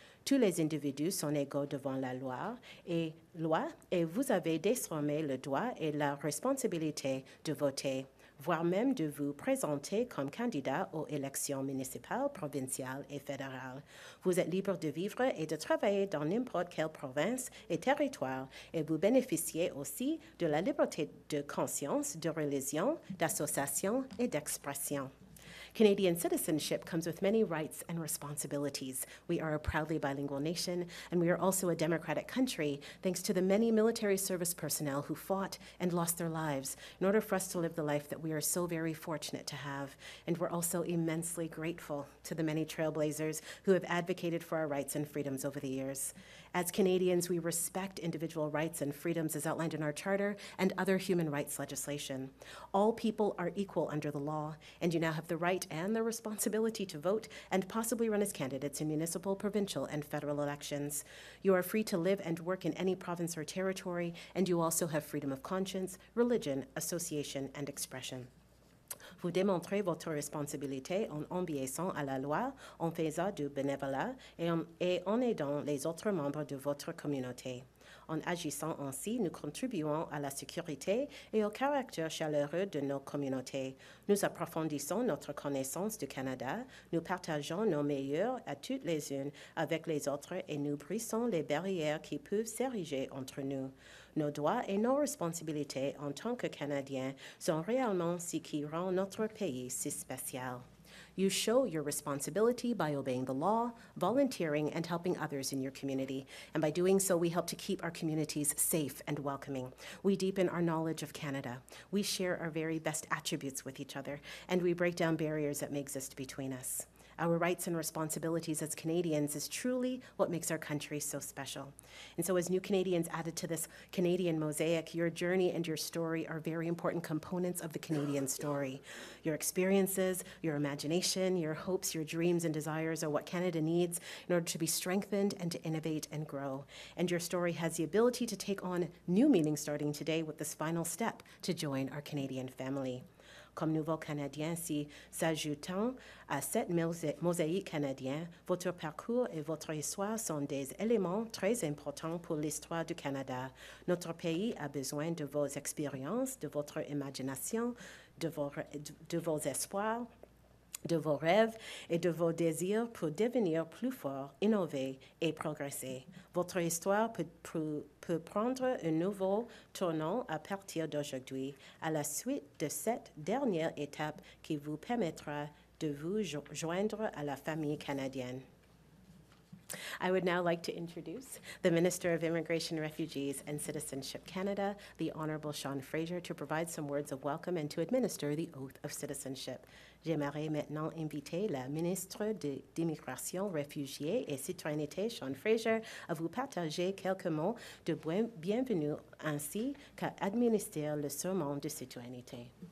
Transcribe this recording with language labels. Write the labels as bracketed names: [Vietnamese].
[French] Tous les individus sont égaux devant la loi et vous avez désormais le droit et la responsabilité de voter, voire même de vous présenter comme candidat aux élections municipales, provinciales et fédérales. Vous êtes libre de vivre et de travailler dans n'importe quelle province et territoire, et vous bénéficiez aussi de la liberté de conscience, de religion, d'association et d'expression. [English] Canadian citizenship comes with many rights and responsibilities. We are a proudly bilingual nation, and we are also a democratic country, thanks to the many military service personnel who fought and lost their lives in order for us to live the life that we are so very fortunate to have. And we're also immensely grateful to the many trailblazers who have advocated for our rights and freedoms over the years. As Canadians, we respect individual rights and freedoms as outlined in our charter and other human rights legislation. All people are equal under the law, and you now have the right and the responsibility to vote and possibly run as candidates in municipal, provincial, and federal elections. You are free to live and work in any province or territory, and you also have freedom of conscience, religion, association, and expression. [French] Vous démontrez votre responsabilité en obéissant à la loi, en faisant du bénévolat et en aidant les autres membres de votre communauté. En agissant ainsi, nous contribuons à la sécurité et au caractère chaleureux de nos communautés. Nous approfondissons notre connaissance du Canada, nous partageons nos meilleurs à toutes les unes avec les autres et nous brisons les barrières qui peuvent s'ériger entre nous. Nos droits et nos responsabilités en tant que Canadiens sont réellement ce qui rend notre pays si spécial. [English] You show your responsibility by obeying the law, volunteering, and helping others in your community. And by doing so, we help to keep our communities safe and welcoming. We deepen our knowledge of Canada. We share our very best attributes with each other, and we break down barriers that may exist between us. Our rights and responsibilities as Canadians is truly what makes our country so special. And so as new Canadians added to this Canadian mosaic, your journey and your story are very important components of the Canadian story. Your experiences, your imagination, your hopes, your dreams and desires are what Canada needs in order to be strengthened and to innovate and grow. And your story has the ability to take on new meaning starting today with this final step to join our Canadian family. [French] Comme nouveau Canadien, si s'ajoutant à cette mosaïque canadienne, votre parcours et votre histoire sont des éléments très importants pour l'histoire du Canada. Notre pays a besoin de vos expériences, de votre imagination, de vos espoirs, de vos rêves et de vos désirs pour devenir plus fort, innover et progresser. Votre histoire peut prendre un nouveau tournant à partir d'aujourd'hui, à la suite de cette dernière étape qui vous permettra de vous joindre à la famille canadienne. [English] I would now like to introduce the Minister of Immigration, Refugees and Citizenship Canada, the Honorable Sean Fraser, to provide some words of welcome and to administer the oath of citizenship. [French] J'aimerais maintenant inviter la ministre d'Immigration, Réfugiés et Citoyenneté, Sean Fraser, à vous partager quelques mots de bienvenue ainsi qu'à administrer le serment de citoyenneté.